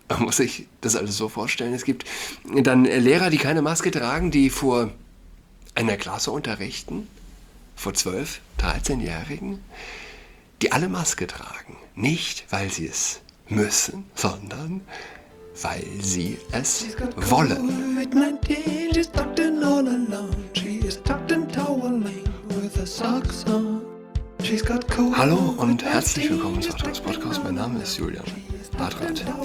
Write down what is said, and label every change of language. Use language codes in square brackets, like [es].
[de] Man muss sich das alles so vorstellen. Es gibt dann Lehrer, die keine Maske tragen, die vor einer Klasse unterrichten, vor 12, 13-Jährigen, die alle Maske tragen. Nicht, weil sie es müssen, sondern weil sie es [en] She's got [de] wollen. [en] COVID-19, she's tucked in all alone. She is tucked in toweling with her socks on. She's got [de] Hallo und herzlich willkommen zu Hartratz Podcast. Mein Name ist Julian Hartratz.